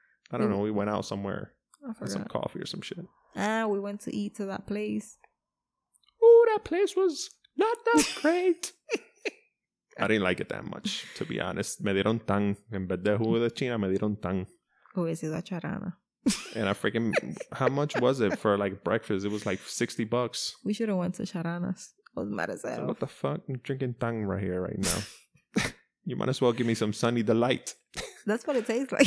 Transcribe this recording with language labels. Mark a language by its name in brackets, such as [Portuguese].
[English] I don't know. We went out somewhere. Had some coffee or some shit. We went to eat to that place. Ooh, that place was not that great. I didn't like it that much, to be honest. [Spanish] Me dieron tan. En vez de jugo de China, me dieron tan. Hubiese sido charana. [English] And I freaking. How much was it for like breakfast? It was like $60. We should have went to charanas. So what the fuck? I'm drinking tang right here, right now. You might as well give me some Sunny Delight. That's what it tastes like.